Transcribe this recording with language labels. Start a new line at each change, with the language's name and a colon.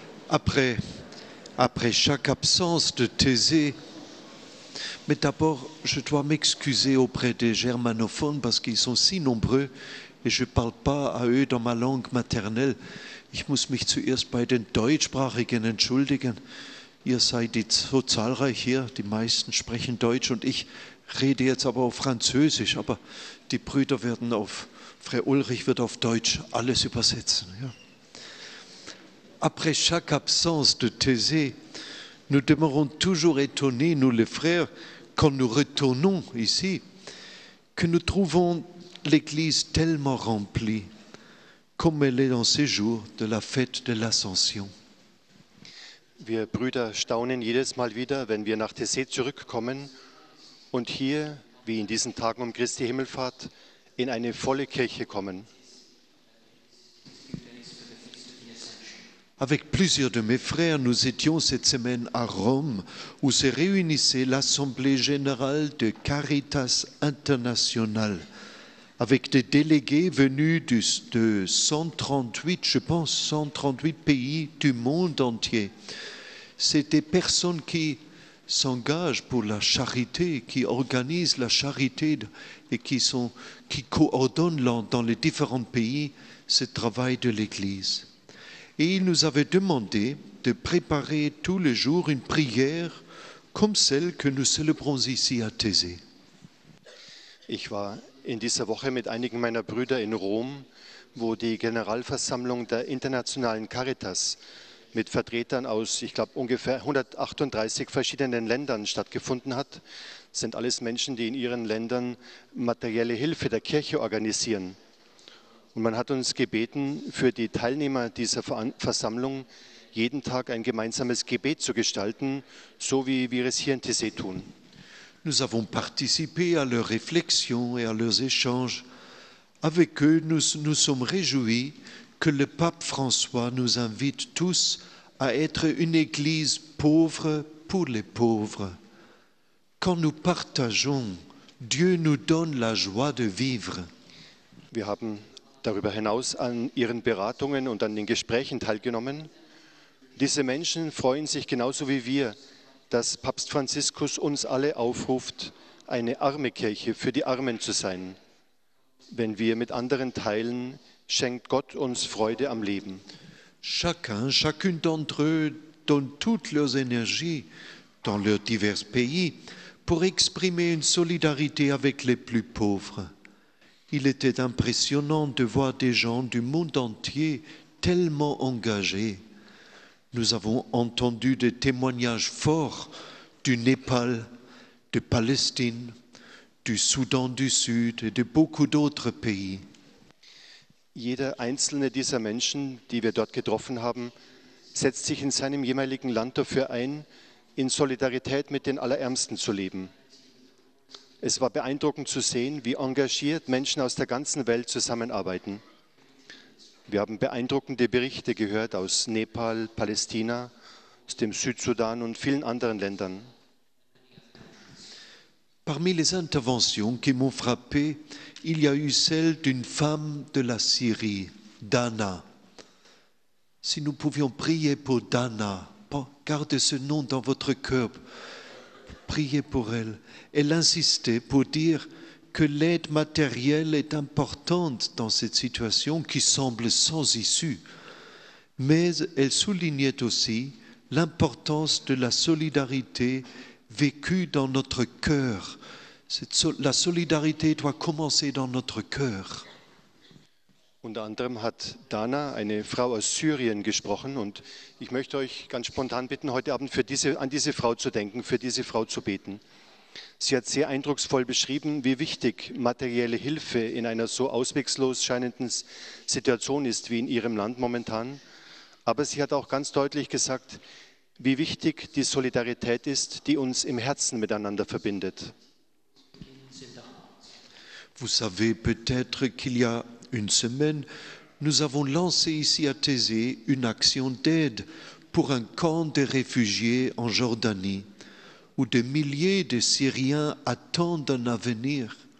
French: Après chaque absence de Thésée, mais d'abord je dois m'excuser auprès des germanophones parce qu'ils sont si nombreux et je ne parle pas à eux dans ma langue maternelle.
German: Ich muss mich zuerst bei den Deutschsprachigen entschuldigen. Ihr seid so zahlreich hier, die meisten sprechen Deutsch und ich rede jetzt aber auf Französisch, aber die Brüder werden auf, Frère Ulrich wird auf Deutsch alles übersetzen, ja.
French: Après chaque absence de Thésée, nous demeurons toujours étonnés, nous les frères, quand nous retournons ici, que nous trouvons l'église tellement remplie, comme elle est dans ces jours de la fête de l'Ascension.
German: Wir Brüder staunen jedes Mal wieder, wenn wir nach Thésée zurückkommen und hier, wie in diesen Tagen um Christi Himmelfahrt, in eine volle Kirche kommen.
French: Avec plusieurs de mes frères, nous étions cette semaine à Rome, où se réunissait l'Assemblée générale de Caritas internationale, avec des délégués venus de 138, je pense, 138 pays du monde entier. C'est des personnes qui s'engagent pour la charité, qui organisent la charité et qui coordonnent dans les différents pays ce travail de l'Église. Et il nous avait demandé de préparer tous les jours une prière comme celle que nous célébrons ici à Thésée.
German: Ich war in dieser Woche mit einigen meiner Brüder in Rom, wo die Generalversammlung der internationalen Caritas mit Vertretern aus, ich glaube, ungefähr 138 verschiedenen Ländern stattgefunden hat. Das sind alles Menschen, die in ihren Ländern materielle Hilfe der Kirche organisieren. Und man hat uns gebeten, für die Teilnehmer dieser Versammlung jeden Tag ein gemeinsames Gebet zu gestalten, so wie wir es hier in Thésée tun.
French: Nous avons participé à leurs réflexions et à leurs échanges. Avec eux, nous sommes réjouis que le pape François nous invite tous à être une église pauvre pour les pauvres. Quand nous partageons, Dieu nous donne la joie de vivre.
German: Wir haben darüber hinaus an ihren Beratungen und an den Gesprächen teilgenommen. Diese Menschen freuen sich genauso wie wir, dass Papst Franziskus uns alle aufruft, eine arme Kirche für die Armen zu sein. Wenn wir mit anderen teilen, schenkt Gott uns Freude am Leben.
French: Chacune d'entre eux donne toute leur énergie dans leurs divers pays pour exprimer une solidarité avec les plus pauvres. Il était impressionnant de voir des gens du monde entier tellement engagés. Nous avons entendu des témoignages forts du Népal, de Palestine, du Soudan du Sud et de beaucoup d'autres pays.
German: Jeder einzelne dieser Menschen, die wir dort getroffen haben, setzt sich in seinem jeweiligen Land dafür ein, in Solidarität mit den Allerärmsten zu leben. Es war beeindruckend zu sehen, wie engagiert Menschen aus der ganzen Welt zusammenarbeiten. Wir haben beeindruckende Berichte gehört aus Nepal, Palästina, aus dem Südsudan und vielen anderen Ländern.
French: Parmi les interventions qui m'ont frappé, il y a eu celle d'une femme de la Syrie, Dana. Si nous pouvions prier pour Dana, gardez ce nom dans votre cœur, priez pour elle. Elle insistait pour dire que l'aide matérielle est importante dans cette situation qui semble sans issue. Mais elle soulignait aussi l'importance de la solidarité vécue dans notre cœur. La solidarité doit commencer dans notre cœur.
German: Unter anderem hat Dana, eine Frau aus Syrien, gesprochen und ich möchte euch ganz spontan bitten, heute Abend an diese Frau zu denken, für diese Frau zu beten. Sie hat sehr eindrucksvoll beschrieben, wie wichtig materielle Hilfe in einer so ausweglos scheinenden Situation ist wie in ihrem Land momentan. Aber sie hat auch ganz deutlich gesagt, wie wichtig die Solidarität ist, die uns im Herzen miteinander verbindet.
French: Vous savez peut-être qu'il y a une semaine, nous avons lancé ici à Thésée une action d'aide pour un camp de réfugiés en Jordanie, où des milliers de Syriens attendent un avenir.